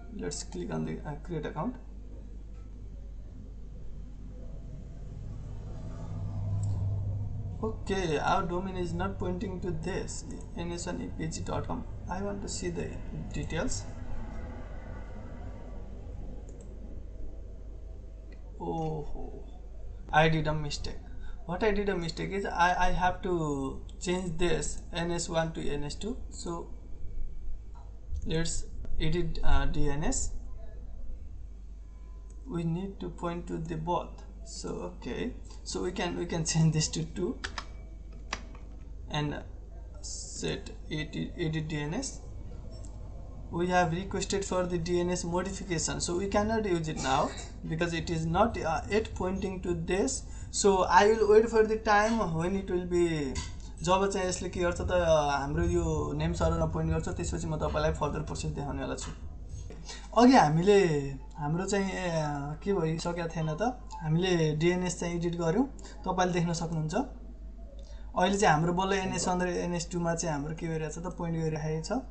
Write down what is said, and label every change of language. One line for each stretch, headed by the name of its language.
English: Let's click on the create account, okay our domain is not pointing to this nsnepg.com, I want to see the details. ओहो I did a mistake, what I did a mistake is I have to change this ns1 to ns2, so let's edit DNS, we need to point to the both, so okay, so we can change this to 2 and set edit DNS. We have requested for the DNS modification, so we cannot use it now because it is not yet pointing to this. So I will wait for the time when it will be,
Nepali: जब चाहिँ यसले के गर्छ त हाम्रो यो name सर्भरमा point गर्छ, त्यसपछि म तपाईँलाई फर्दर प्रोसेस देखाउनेवाला छु। अघि हामीले हाम्रो चाहिँ के भइसकेको थिएन त, हामीले डिएनएस चाहिँ एडिट गऱ्यौँ, तपाईँले देख्न सक्नुहुन्छ अहिले चाहिँ हाम्रो बल्ल एनएसवान र एनएसटूमा चाहिँ हाम्रो के भइरहेको छ त, पोइन्ट गरिरहेको छ।